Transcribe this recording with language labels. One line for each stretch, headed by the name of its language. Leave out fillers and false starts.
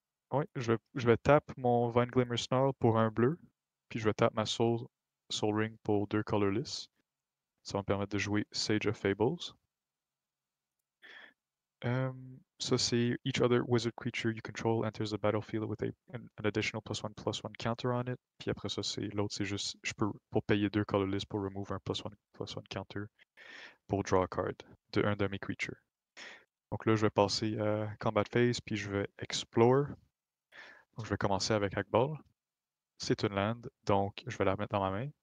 French: Oui, je vais taper mon Vine Glimmer Snarl pour un bleu, puis je vais taper ma Soul Ring pour deux colorless. Ça va me permettre de jouer Sage of Fables. Ça, c'est
English: each other wizard creature you control enters the battlefield with an additional +1/+1 counter on it.
French: Puis après ça, c'est l'autre, c'est juste, je peux, pour payer deux colorless, pour remove un +1/+1 counter pour
English: draw a card
French: de un de mes creatures. Donc là, je vais passer à combat phase, puis je vais explore. Donc je vais commencer avec Hackball. C'est une land, donc je vais la mettre dans ma main.